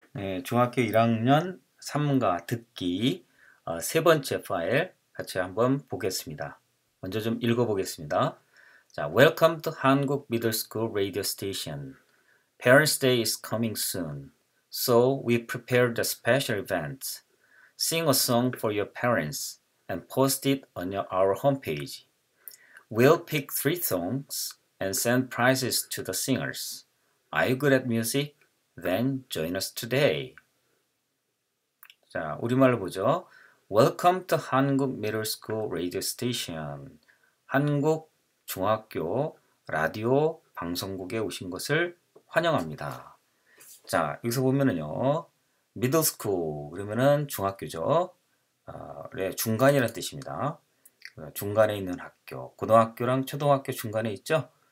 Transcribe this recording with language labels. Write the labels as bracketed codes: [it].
[ko] 네, 중학교 1학년 3과 듣기 세 번째 파일 같이 한번 보겠습니다. 먼저 좀 읽어보겠습니다. [en] 자, Welcome to 한국 Middle School Radio Station. Parents' Day is coming soon, so we prepared a special event. Sing a song for your parents and post it on our homepage. We'll pick three songs and send prizes to the singers. Are you good at music? Then join us today. [ko] 자, 우리말로 보죠. [en] Welcome to 한국 Middle School Radio Station. [ko] 한국 중학교 라디오 방송국에 오신 것을 환영합니다. 자, 여기서 보면은요. Middle School, 그러면은 중학교죠. 중간이라는 뜻입니다. 중간에 있는 학교. 고등학교랑 초등학교 중간에 있죠.